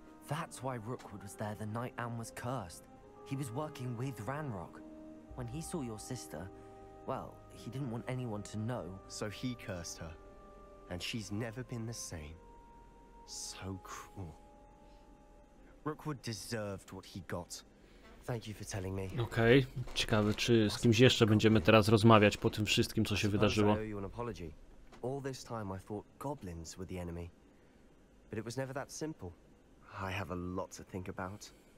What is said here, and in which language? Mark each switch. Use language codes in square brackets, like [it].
[en] That's why Rookwood was there the night Anne was cursed. He was working with Ranrock. When he saw your sister, well, he didn't want anyone to know. So he cursed her, and she's never been the same. So cruel. Rookwood deserved what he got. Thank you for telling me. [pl] Okej, okay. Ciekawe, czy z kimś jeszcze będziemy teraz rozmawiać po tym wszystkim, co się wydarzyło. [en] I owe you an apology. All this time I thought goblins were the enemy. But it was never that simple. I have a lot to think about.